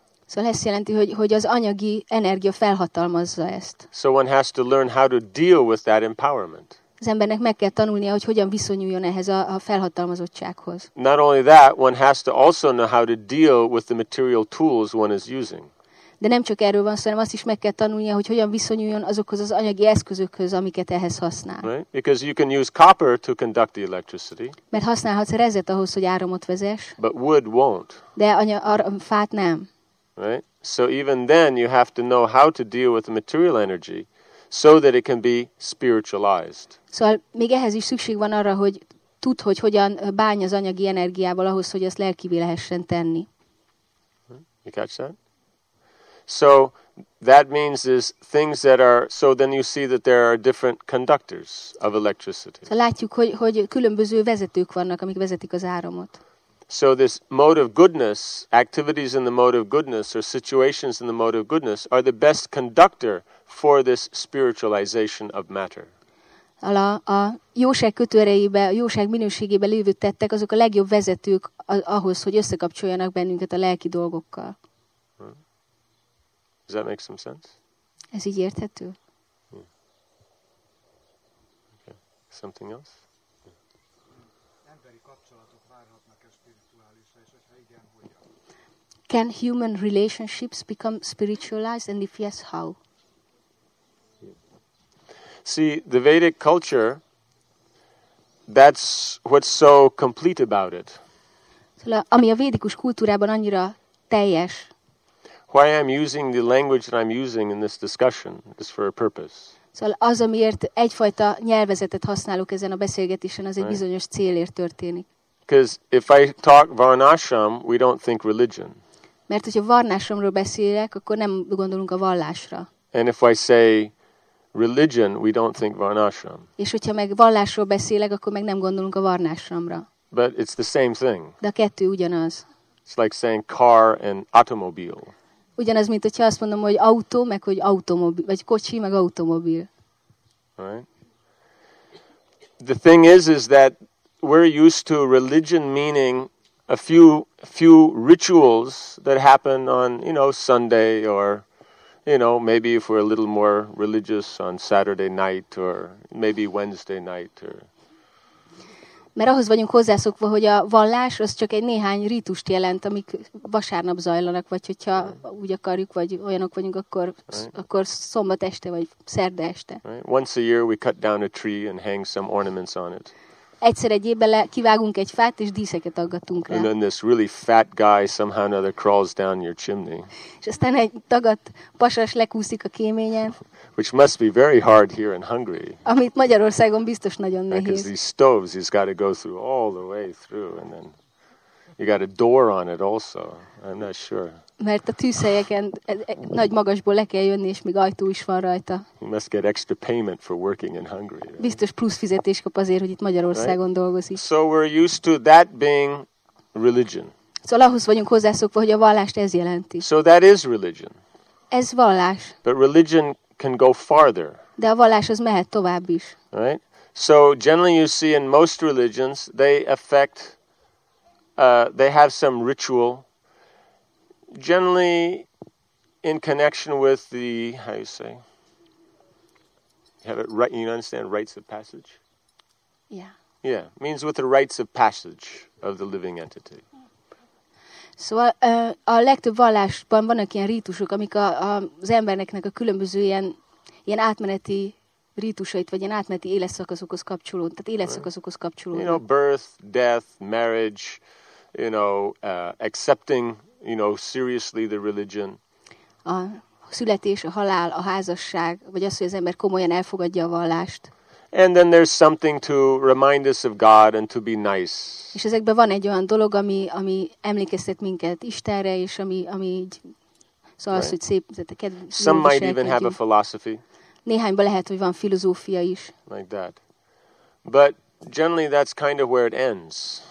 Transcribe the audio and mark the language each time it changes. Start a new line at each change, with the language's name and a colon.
Hungarian: Szóval ez jelenti, hogy az anyagi energia felhatalmazza ezt.
English: So one has to learn how to deal with that empowerment.
Hungarian: az embernek meg kell tanulnia, hogy hogyan viszonyuljon ehhez a felhatalmazottsághoz.
English: Not only that, one has to also know how to deal with the material tools one is using.
Hungarian: De nem csak erről van szó, hanem azt is meg kell tanulnia, hogy hogyan viszonyuljon azokhoz az anyagi eszközökhöz, amiket ehhez használ.
English: Right? Because you can use copper to conduct the electricity.
Hungarian: Mert használhatsz rezet ahhoz, hogy áramot vezess.
English: But wood won't.
Hungarian: De fát nem.
English: Right? So even then you have to know how to deal with the material energy so that it can be spiritualized.
Hungarian: Szóval még ehhez is szükség van arra, hogy tud, hogy hogyan bánj az anyagi energiával ahhoz, hogy ezt lelkivé lehessen tenni.
English: You catch that? So that means is things that are, so then you see that there are different conductors of electricity.
Hungarian: Szóval látjuk, hogy különböző vezetők vannak, amik vezetik az áramot.
English: So this mode of goodness, activities in the mode of goodness or situations in the mode of goodness are the best conductor for this spiritualization of matter.
Hungarian: A jóság kötőereibe, a jóság minőségébe lévő tettek, azok a legjobb vezetők ahhoz, hogy összekapcsoljanak bennünket a lelki dolgokkal.
English: Does that make some sense?
Hungarian: Ez így érthető?
English: Yeah. Okay. Something else? Can human relationships become spiritualized, and if yes, how? See, the Vedic culture, that's what's so complete about it.
Hungarian: Szóval, ami a védikus kultúrában annyira teljes.
English: Why I'm using the language that I'm using in this discussion is for a purpose.
Hungarian: Szóval az, amiért egyfajta nyelvezetet használok ezen a beszélgetésen, az egy bizonyos célért történik.
English: Because if I talk varnashram, we don't think religion.
Hungarian: Mert hogyha varnashramról beszélek, akkor nem gondolunk a vallásra.
English: And if I say religion, we don't think varnashram.
Hungarian: És hogyha meg vallásról beszélek, akkor meg nem gondolunk a varnashramra.
English: But it's the same thing.
Hungarian: De a kettő ugyanaz.
English: It's like saying car and automobile.
Hungarian: Ugyanaz, mint hogyha azt mondom, hogy autó, meg hogy automobil, vagy kocsi, meg automobil.
English: Right. The thing is that we're used to religion meaning a few rituals that happen on, you know, Sunday, or, you know, maybe if we're a little more religious, on Saturday night, or maybe Wednesday night, or.
Hungarian: Mert ahhoz vagyunk hozzászokva, hogy a vallás az csak egy néhány rítust jelent, amik vasárnap zajlanak, vagy hogyha úgy akarjuk, vagy olyanok vagyunk, akkor akkor szombat este vagy szerda este.
English: Right. Once a year we cut down a tree and hang some ornaments on it.
Hungarian: Egyszer egy évben kivágunk egy fát és díszeket aggatunk rá.
English: And then this really fat guy somehow or another crawls down your chimney.
Hungarian: És aztán egy tagadt pasas lekúszik a kéményen.
English: Which must be very hard here in Hungary.
Hungarian: Amit Magyarországon biztos nagyon nehéz.
English: Because these stoves, he's got to go through all the way through, and then you got a door on it also. I'm not sure.
Hungarian: Mert a tűzhelyeken nagy magasból le kell jönni, és még ajtó is van rajta.
English: You must get extra payment for working in Hungary. Right?
Hungarian: Biztos plusz fizetés kap azért, hogy itt Magyarországon dolgozik.
English: So we're used to that being religion.
Hungarian: Szóval ahhoz vagyunk hozzászokva, hogy a vallást ez jelenti.
English: So that is religion.
Hungarian: Ez vallás.
English: But religion can go farther.
Hungarian: De a vallás az mehet tovább is.
English: Right? So generally you see in most religions they affect they have some ritual generally in connection with the how you say you have it right, you understand rites of passage? Yeah. Yeah, means with the rites of passage of the living entity.
Hungarian: Szóval a legtöbb vallásban vannak ilyen rítusok, amik az embereknek a különböző ilyen átmeneti rítusait, vagy ilyen átmeneti életszakaszokhoz kapcsolódnak. Tehát életszakaszokhoz kapcsolódnak.
English: You know, birth, death, marriage, you know, accepting, you know, seriously the religion.
Hungarian: A születés, a halál, a házasság, vagy az, hogy az ember komolyan elfogadja a vallást.
English: And then there's something to remind us of God and to be nice.
Hungarian: És ezekben van egy olyan dolog, ami emlékeztet minket Istenre, és ami így szóval right. Az, hogy szép, tehát a kedves.
English: Some might even have a philosophy.
Hungarian: Néhányban lehet, hogy van filozófia is.
English: Like that. But generally that's kind of where it ends.